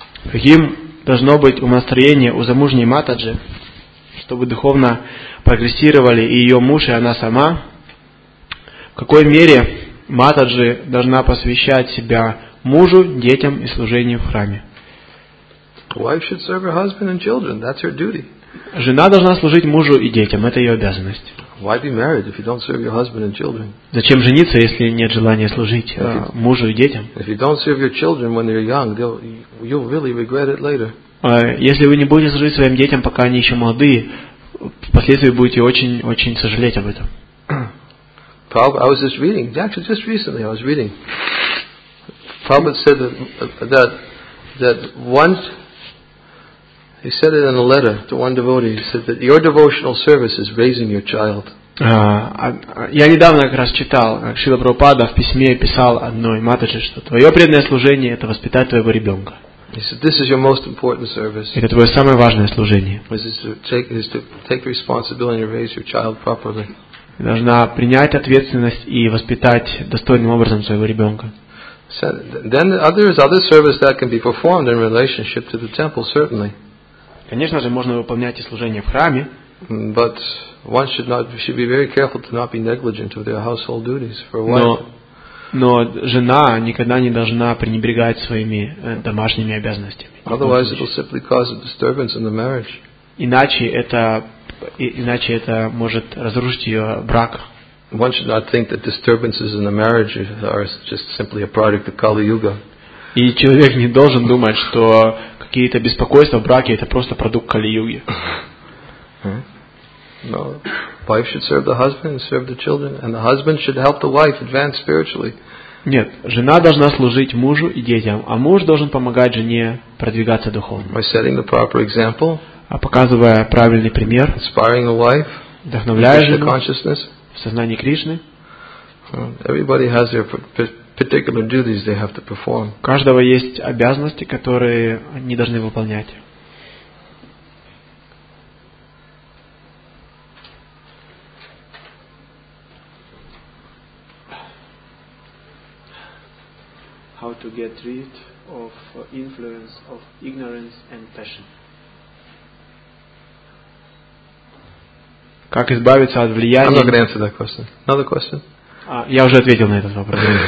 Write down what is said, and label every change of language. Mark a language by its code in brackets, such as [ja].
[ru] Каким должно быть умонастроение у замужней Матаджи, чтобы духовно прогрессировали и ее муж, и она сама? В какой мере Матаджи должна посвящать себя мужу, детям и служению в храме? [en] Wife should serve her husband and children. That's her duty. [ru] Жена должна служить мужу и детям. Это ее обязанность. [en] Why be married if you don't serve your husband and children? [ru] Зачем жениться, если нет желания служить мужу и детям? [en] If you don't serve your children when they're young, you'll really regret it later. [ru] Если вы не будете служить своим детям, пока они еще молодые, впоследствии будете очень очень сожалеть об этом. [en] Prabhupada, I was just reading. Actually, just recently I was reading. Prabhupada said that once. He said it in a letter to one devotee. He said that your devotional service is raising your child. [ru] Я недавно как раз читал, Шрила Прабхупада в письме писал одной матери, что твое преданное служение – это воспитать твоего ребенка. [en] He said this is your most important service. [ru] Это твое самое важное служение. [en] Is to take responsibility and raise your child properly. [ru] Должна принять ответственность и воспитать достойным образом своего ребенка. [en] Then there is other service that can be performed in relationship to the temple, certainly. [ru] Конечно же, можно выполнять и служение в храме. [en] But one should be very careful to not be negligent of their household duties for wife. [ru] Но жена никогда не должна пренебрегать своими домашними обязанностями. [en] Otherwise, it will simply cause a disturbance in the marriage. [ru] Иначе это может разрушить ее брак. [en] One should not think that disturbances in the marriage are just simply a product of Kali-Yuga. [ru] И человек не должен думать, что какие-то беспокойства в браке – это просто продукт Кали-Юги. [en] No. Wife should serve the husband and serve the children, and the husband should help the wife advance spiritually. [ru] Нет, жена должна служить мужу и детям, а муж должен помогать жене продвигаться духовно. [en] By setting the proper example, [ru] а показывая правильный пример, [en] inspiring the wife, [ru] вдохновляя жену, [en] consciousness, [ru] в сознании Кришны. [en] Everybody has their particular duties they have to perform. [ru] У каждого есть обязанности, которые они должны выполнять. [en] How to get rid of influence of ignorance and passion? [ru] Как избавиться от влияния? [en] I'm not going to answer that question. Another question. [ru] Я уже ответил на этот вопрос.